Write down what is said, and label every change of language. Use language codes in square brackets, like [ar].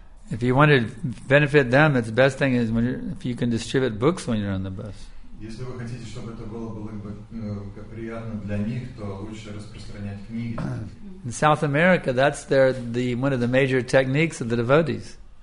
[en] If you want to benefit them, it's the best thing is if you can distribute books when you're on the bus. [ru] Если вы хотите, чтобы это было приятно для них, то лучше распространять книги. [en] In South America, that's one of the major techniques of the devotees.